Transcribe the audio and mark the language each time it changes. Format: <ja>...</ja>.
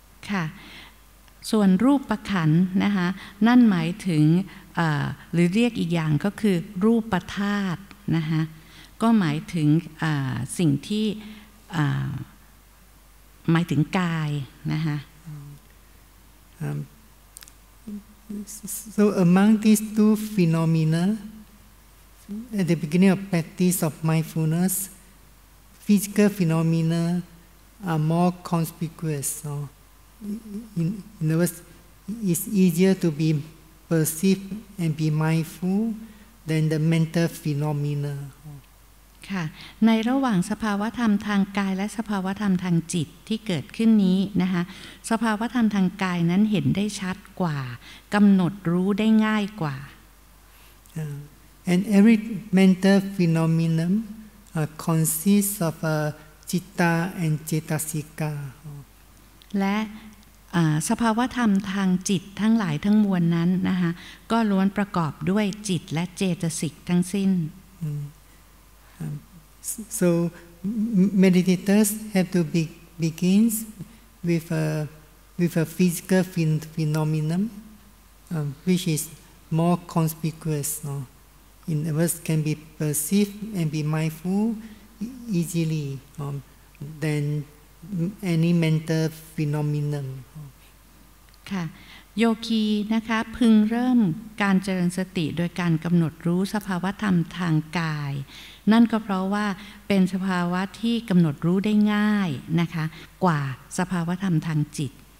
<th>ค่ะส่วนรูปขันธ์นะคะนั่นหมายถึงหรือเรียกอีกอย่างก็คือรูปธาตุนะคะก็หมายถึงสิ่งที่หมายถึงกายนะคะ</th> <en>So among these two phenomena at the beginning of practice of mindfulness physical phenomena are more conspicuous orIn other words, it's easier to be perceived and be mindful than the mental phenomena.</en> <th>ค่ะในระหว่างสภาวธรรมทางกายและสภาวธรรมทางจิตที่เกิดขึ้นนี้นะคะสภาวธรรมทางกายนั้นเห็นได้ชัดกว่ากำหนดรู้ได้ง่ายกว่า</th> <en>And every mental phenomenon consists of a citta and cetasika.</en> <th>และ สภาวะธรรมทางจิตทั้งหลายทั้งมวลนั้นนะคะก็ล้วนประกอบด้วยจิตและเจตสิกทั้งสิ้น</th> <en>So meditators have to begin with a physical phenomenon which is more conspicuous no? in others can be perceived and be mindful easily than any mental phenomenon</en> <th>ค่ะโยคีนะคะพึงเริ่มการเจริญสติโดยการกำหนดรู้สภาวะธรรมทางกายนั่นก็เพราะว่าเป็นสภาวะที่กำหนดรู้ได้ง่ายนะคะกว่าสภาวะธรรมทางจิต</th>